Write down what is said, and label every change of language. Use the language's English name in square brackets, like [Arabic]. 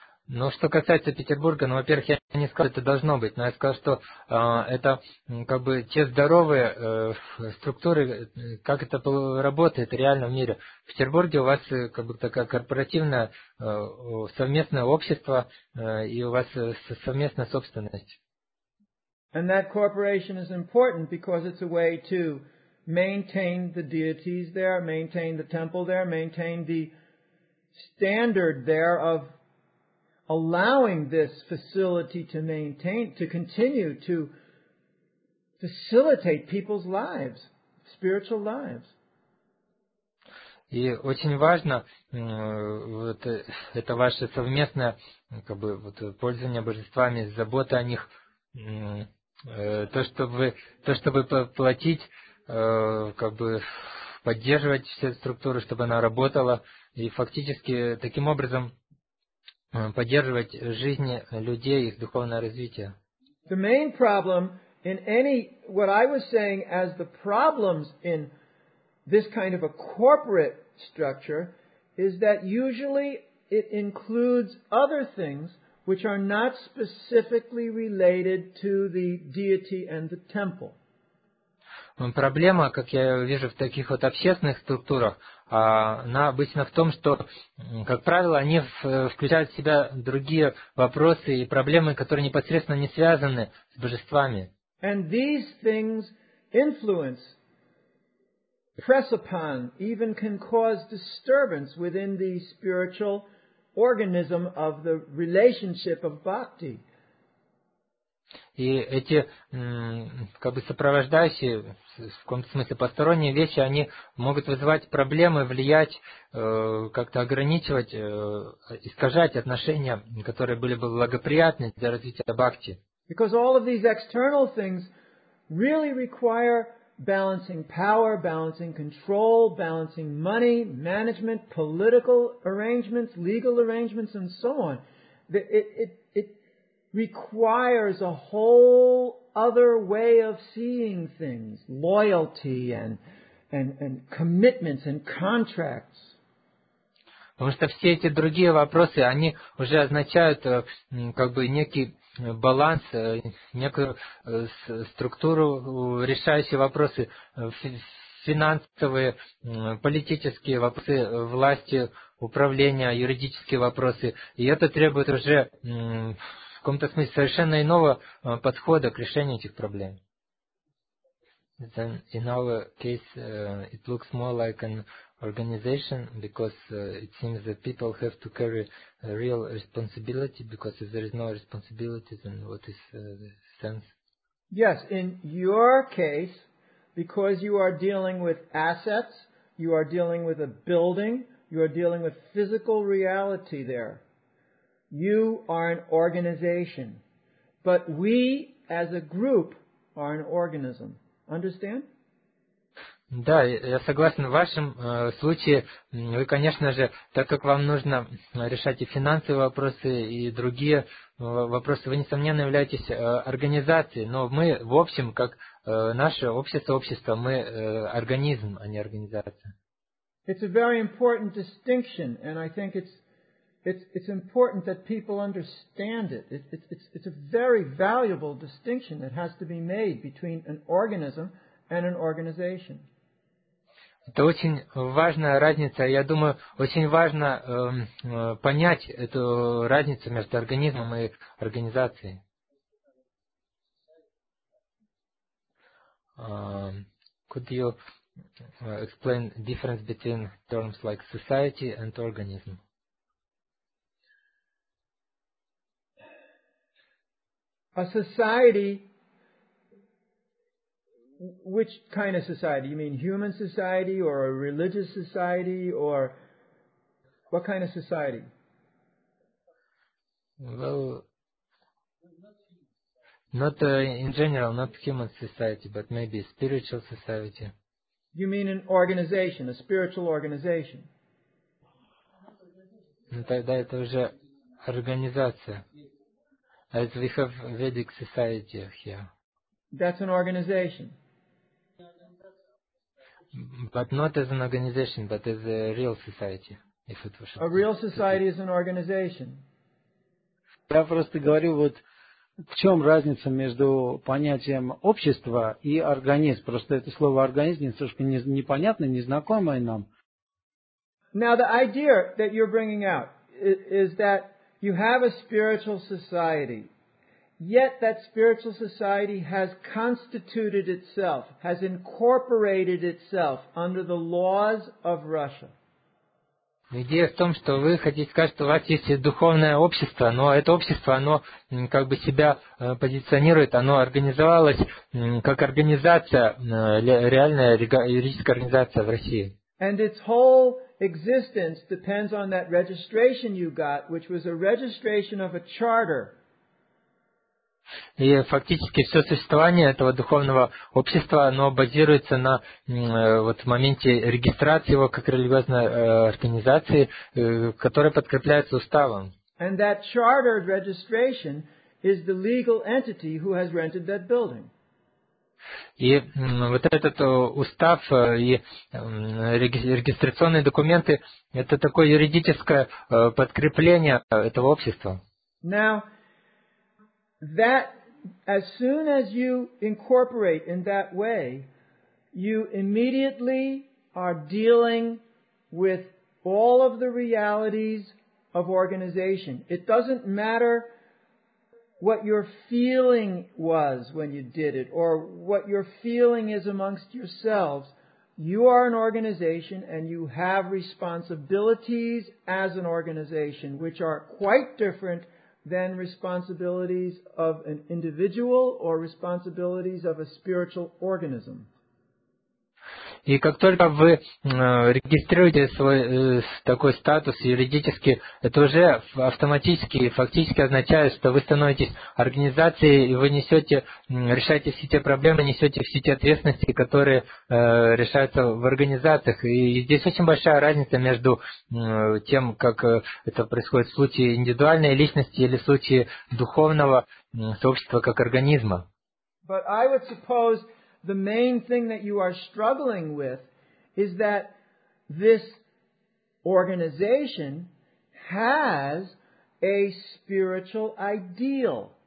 [Russian] Ну, что касается Петербурга, ну, во-первых, я не сказал, это должно быть, но я сказал, что это как бы те здоровые структуры, как это работает реально в мире. В Петербурге у вас как бы такая корпоративное совместное общество, и у вас совместная собственность. [English] And that corporation is important because it's a way to maintain the deities there, maintain the temple there, maintain the standard there of allowing this facility to maintain, to continue to facilitate people's lives spiritual lives. [Russian] И очень важно вот это ваше совместное как бы вот пользование божествами, забота о них, то чтобы платить, как бы поддерживать все структуры, чтобы она работала, и фактически таким образом поддерживать жизни людей, их духовное развитие. [English] The main problem in any what I was saying as the problems in this kind of a corporate structure is that usually it includes other things which are not specifically related to the deity and the temple. [Russian] Проблема, как я вижу, в таких вот общественных структурах, она обычно в том, что, как правило, они включают в себя другие вопросы и проблемы, которые непосредственно не связаны с божествами. [English] And these things influence, press upon, even can cause disturbance within the spiritual organism of the relationship of bhakti. [Russian] И эти, как бы сопровождающие, в каком-то смысле посторонние вещи, они могут вызывать проблемы, влиять, как-то ограничивать, искажать отношения, которые были бы благоприятны для развития бхакти. [English] Because all of these external things really require balancing power, balancing control, balancing money, management, political arrangements, legal arrangements, and so on. It requires a whole other way of seeing things, loyalty and commitments and contracts. [Russian] Потому что все эти другие вопросы, они уже означают как бы некий баланс, некую структуру, решающие вопросы, финансовые, политические вопросы, власти, управления, юридические вопросы. И это требует уже, в каком-то смысле, совершенно иного подхода к решению этих проблем. [English] In our case, it looks more like an organization, because it seems that people have to carry a real responsibility, because if there is no responsibility, then what is the sense? Yes, in your case, because you are dealing with assets, you are dealing with a building, you are dealing with physical reality there. You are an organization. But we, as a group, are an organism. Understand? [Russian] Да, я согласен. В вашем случае вы, конечно же, так как вам нужно решать и финансовые вопросы, и другие вопросы, вы, несомненно, являетесь организацией, но мы в общем, как наше общество, мы организм, а не организация. [English] It's a very important distinction, and I think it's important that people understand it. It's a very valuable distinction that has to be made between an organism and an organization. [Russian] Это очень важная разница. Я думаю, очень важно понять эту разницу между организмом и организацией. [English] Could you explain the difference between terms like society and organism? A society... Which kind of society? You mean human society or a religious society or what kind of society? Well, not in general, not human society, but maybe a spiritual society. You mean an organization, a spiritual organization? [Russian] Ну тогда это уже организация. [English] As we have Vedic society here. That's an organization. But not as an organization, but as a real society, if it was a real society is an organization. [Russian] Я просто говорю, вот в чем разница между понятием общества и организм. Просто это слово организм немножко непонятное, незнакомое нам. [English] Now the idea that you're bringing out is that you have a spiritual society. Yet that spiritual society has constituted itself, has incorporated itself under the laws of Russia. [Russian] Идея в том, что вы хотите сказать, что у вас есть духовное общество, но это общество, оно как бы себя позиционирует, оно организовалось как организация, реальная юридическая организация в России. [English] And its whole existence depends on that registration you got, which was a registration of a charter. [Russian] И фактически все существование этого духовного общества, оно базируется на вот, моменте регистрации его как религиозной организации, которая подкрепляется уставом. [English] And that chartered registration is the legal entity who has rented that building. [Russian] И вот этот устав и регистрационные документы, это такое юридическое подкрепление этого общества. [English] Now, that as soon as you incorporate in that way, you immediately are dealing with all of the realities of organization. It doesn't matter what your feeling was when you did it or what your feeling is amongst yourselves. You are an organization and you have responsibilities as an organization, which are quite different than responsibilities of an individual or responsibilities of a spiritual organism. [Russian] И как только вы регистрируете свой такой статус юридически, это уже автоматически и фактически означает, что вы становитесь организацией, и вы несете, решаете все те проблемы, несете все те ответственности, которые решаются в организациях. И здесь очень большая разница между тем, как это происходит в случае индивидуальной личности или в случае духовного сообщества как организма. [English] But I would suppose the main thing that you are struggling with is that this organization has a spiritual ideal.